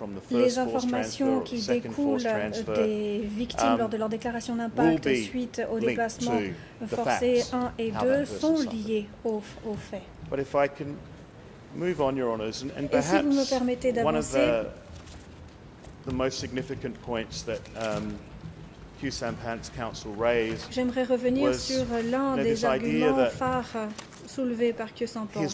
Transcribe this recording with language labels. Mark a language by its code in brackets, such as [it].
[fr] Les informations qui découlent des victimes lors de leur déclaration d'impact suite au déplacement forcé 1 et 2 sont liées aux faits. [en] But if I can move on, Your Honours, and perhaps [fr] si vous me permettez d'avancer, [en] one of the most significant points that Khieu Samphan's counsel raised, [fr] j'aimerais revenir sur l'un des arguments phares soulevés par Khieu Samphan,